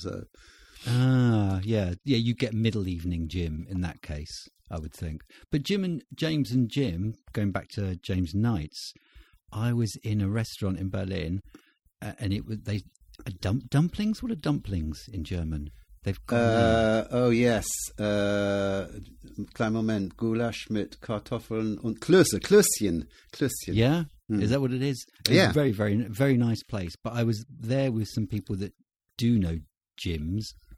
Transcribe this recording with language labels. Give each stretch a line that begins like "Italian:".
English: So, you get middle evening Jim in that case, I would think. But James and Jim, going back to James Knights, I was in a restaurant in Berlin, and it was dumplings. What are dumplings in German? They've got Oh yes,
German: kleiner Moment, Goulash mit Kartoffeln und Klöße, Klößchen.
English: Yeah, is that what it is? Yeah, very, very, very nice place. But I was there with some people that do know James.